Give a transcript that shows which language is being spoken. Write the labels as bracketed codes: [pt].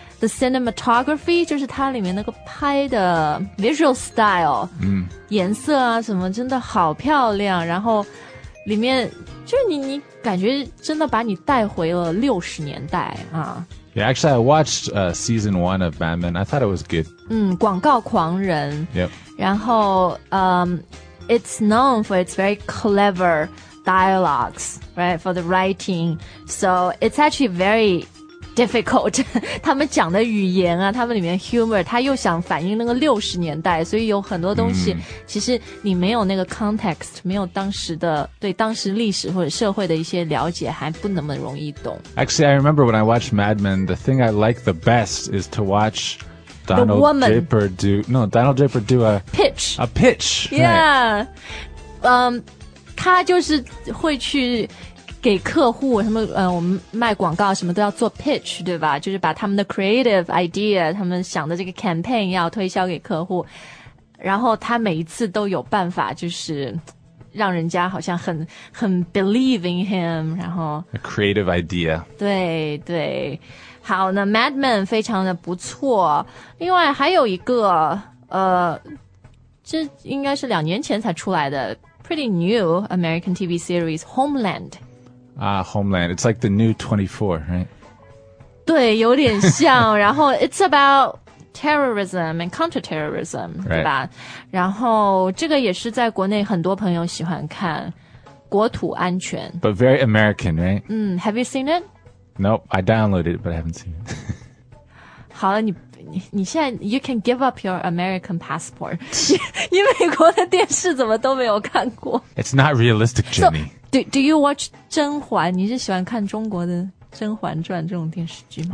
[zh] The cinematography, 就是它里面那个拍的 visual style, 颜色啊什么真的好漂亮，然后里面就你感觉真的把你带回了六十年代啊。 [en] Yeah, actually, I watched season one of Mad Men. I thought it was good. [zh] 广告狂人。 [en] Yep. [zh] 然后 [en] it's known for its very clever dialogues, right, for the writing. So it's actually very difficult. [zh] 他们讲的语言啊，他们里面 humor, 他又想反映那个六十年代，所以有很多东西，其实你没有那个 context, 没有当时的，对当时历史或者社会的一些了解，还不那么容易懂。 [en] Actually, I remember when I watched Mad Men, the thing I like the best is to watch Donald Draper do a pitch. A pitch. Yeah. Right. [zh] 他就是会去给客户什么我们卖广告什么都要做 pitch, 对吧，就是把他们的 [en] creative idea, [zh] 他们想的这个 campaign 要推销给客户。然后他每一次都有办法就是让人家好像很 [en] believe in him, [zh] 然后。 [en] A creative idea. [zh] 对对。好，那 Mad Men 非常的不错。另外还有一个这应该是两年前才出来的。 [en] Pretty new American TV series, Homeland. Homeland. It's like the new 24, right? [zh] 对，有点像。然后 [en] it's about terrorism and counterterrorism, right. [zh] 对吧？然后这个也是在国内很多朋友喜欢看，国土安全。 [en] But very American, right? Have you seen it? Nope, I downloaded it, but I haven't seen it. [zh] 好了，你现在 [en] you can give up your American passport. [zh] 你美国的电视怎么都没有看过？ [en] It's not realistic, Jenny. So, do you watch 甄嬛？ [zh] 你是喜欢看中国的《甄嬛传》这种电视剧吗？